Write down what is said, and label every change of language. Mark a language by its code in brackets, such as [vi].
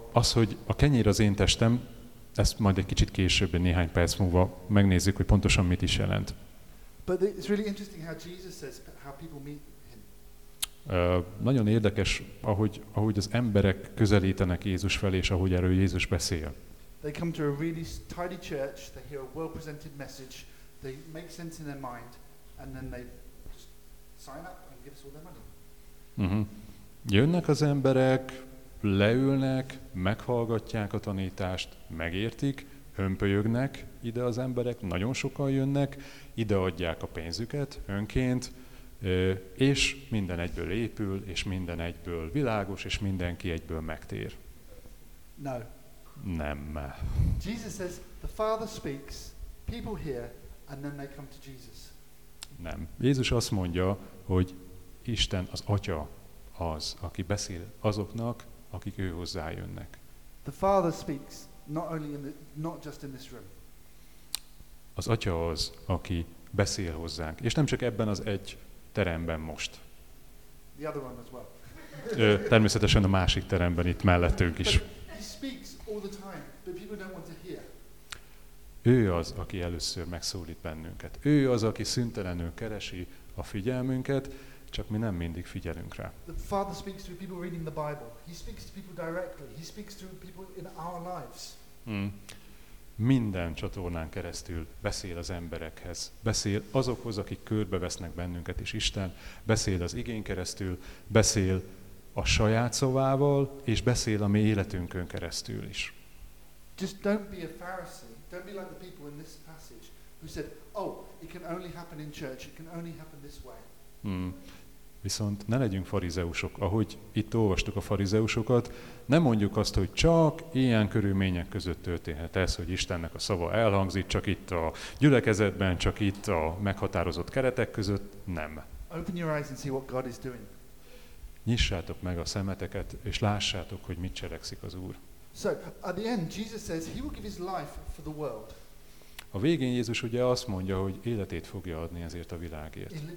[hu] Az, hogy a kenyér az én testem, ezt majd egy kicsit később, néhány perc múlva megnézzük, hogy pontosan mit is jelent. [en] But it's really interesting how Jesus says how people meet him. [hu] Nagyon érdekes, ahogy az emberek közelítenek Jézus felé, és ahogy erről Jézus beszél. [en] They come to a really tidy church, they hear a well-presented message, they make sense in their mind, and then they just sign up and give us all their money. Uh-huh. [hu] Jönnek az emberek, leülnek, meghallgatják a tanítást, megértik, hömpölyögnek ide az emberek, nagyon sokan jönnek, ide adják a pénzüket önként, és minden egyből épül, és minden egyből világos, és mindenki egyből megtér. [en] No. [hu] Nem. [en] Jesus says, the Father speaks, people hear, and then they come to Jesus. [hu] Nem. Jézus azt mondja, hogy Isten az Atya az, aki beszél azoknak, akik ő hozzájönnek. [en] The Father speaks not only in the, not just in this room. [hu] Az Atya az, aki beszél hozzánk, és nem csak ebben az egy teremben most. [en] The other one as well. [hu] Természetesen a másik teremben itt mellettünk is. [en] But he speaks all the time, but people don't want to hear. [hu] Ő az, aki először megszólít bennünket. Ő az, aki szüntelenül keresi a figyelmünket. Csak mi nem mindig figyelünk rá. [en] The Father speaks through people reading the Bible. He speaks to people directly. He speaks through people in our lives. [hu] Minden csatornán keresztül beszél az emberekhez. Beszél azokhoz, akik körbevesznek bennünket is Isten. Beszél az igén keresztül, beszél a saját szavával, és beszél a mi életünkön keresztül is. [en] Just don't be a Pharisee. Don't be like the people in this passage who said, oh, it can only happen in church. It can only happen this way. [hu] Viszont ne legyünk farizeusok, ahogy itt olvastuk a farizeusokat, ne mondjuk azt, hogy csak ilyen körülmények között történhet ez, hogy Istennek a szava elhangzik, csak itt a gyülekezetben, csak itt a meghatározott keretek között, nem. [en] Open your eyes and see what God is doing. [hu] Nyissátok meg a szemeteket, és lássátok, hogy mit cselekszik az Úr. [en] So, at the end, Jesus says he will give his life for the world. [hu] A végén Jézus ugye azt mondja, hogy életét fogja adni ezért a világért.